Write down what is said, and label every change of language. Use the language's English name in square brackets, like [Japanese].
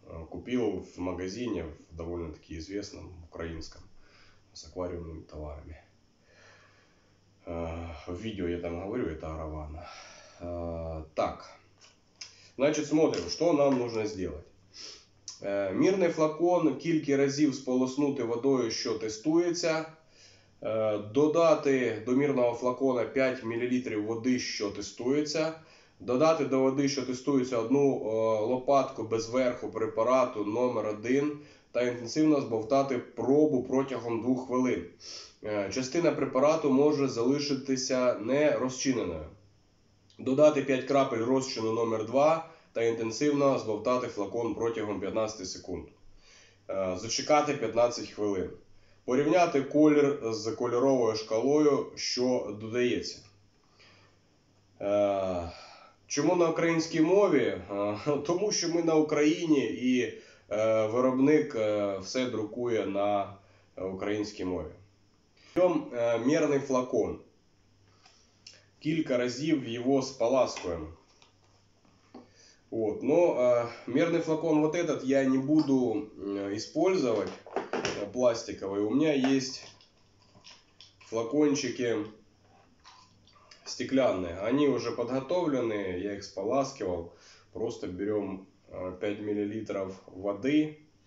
[Russian] Купил в магазине, в довольно-таки известном украинском, с аквариумными товарами. В видео я там говорю, это Аравана. Так, значит, смотрим, что нам нужно сделать. [Ukrainian] Мирный флакон кілька разів сполоснути водою, що тестується. Додати до мирного флакона 5 мл води, що тестується. Додати до води, що тестується, одну лопатку без верху препарату номер 1 та інтенсивно збовтати пробу протягом 2 хвилин. Частина препарату може залишитися не розчиненою. Додати 5 крапель розчину номер 2 та інтенсивно збовтати флакон протягом 15 секунд. Зачекати 15 хвилин. Порівняти колір з кольоровою шкалою, що додається. Чому на українській мові? Тому що ми на Україні і виробник все друкує на українській мові. [Russian] Берем мерный флакон. [Ukrainian] Кілька разів його споласкуємо. [Russian] Вот. Но мерный флакон вот этот я не буду использовать пластиковый. У меня есть флакончики стеклянные. Они уже подготовлены, я их споласкивал. Просто берем 5 мл воды.